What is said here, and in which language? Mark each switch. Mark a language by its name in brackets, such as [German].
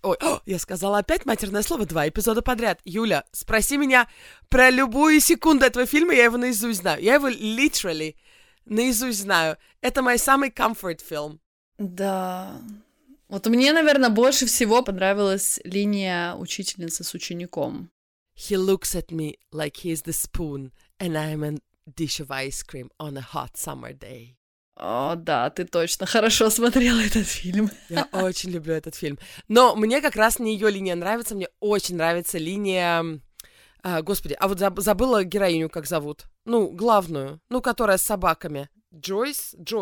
[Russian] Ой, я сказала опять матерное слово 2 эпизода подряд. Юля, спроси меня про любую секунду этого фильма, я его наизусть знаю. Я его literally наизусть знаю. Это мой самый [English] comfort film. [Russian] Да. Вот мне, наверное, больше всего понравилась линия учительницы с учеником. [English] He looks at me like he is the spoon and I am dish of ice cream on a hot summer day. [Russian] О, да, ты точно хорошо смотрела этот фильм. Я очень люблю этот фильм. Но мне как раз не ее линия нравится, мне очень нравится линия... Господи, а вот забыла героиню, как зовут. Ну, главную, ну, которая с собаками. Джойс.